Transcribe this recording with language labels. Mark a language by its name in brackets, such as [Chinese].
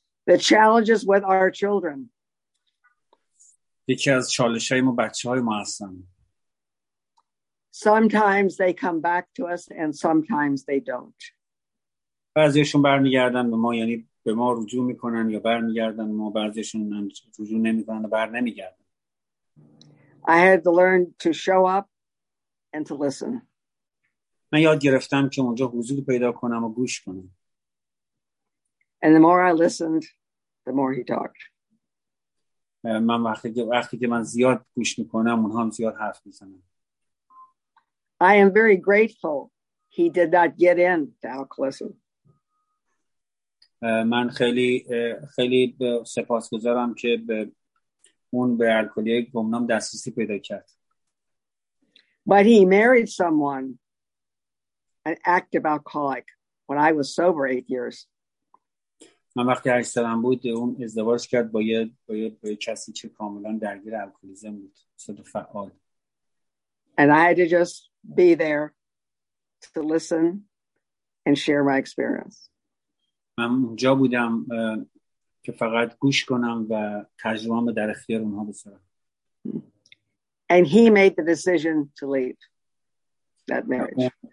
[English] The challenges with our children. [Persian] یکی از چالش‌های ما بچه‌های ما هستن. [English] Sometimes they come back to us and sometimes they don't. [Persian] بعضیشون برمیگردن به ما یعنی به ما رجوع میکنن یا برمیگردن ما بعضیشون رجوع نمیکنن و بر نمیگردن. [English] I had to learn to show up and to listen. [Persian] من یاد گرفتم که اونجا حضور پیدا کنم و گوش کنم. [English] And the more I listened, the more he talked. [Persian] من وقتی که من زیاد گوش میکنم اونها هم زیاد حرف میزنن. [English] I am very grateful he did not get in to alcoholism. [Persian] من خیلی خیلی سپاسگزارم که به اون به الکلی گمنام دسترسی پیدا کرد. [English] But he married someone, an active alcoholic, when I was sober 8 years. [Persian] من وقتی 8 سالم بود اون ازدواج کرد با یه کسی که کاملا درگیر الکلیزم بود. صد فعال. [English] And I had to just be there to listen and share my experience. [Persian] من اونجا بودم که فقط گوش کنم و تجربه‌ام در اختیار اونها بذارم. [English] And he made the decision to leave that marriage.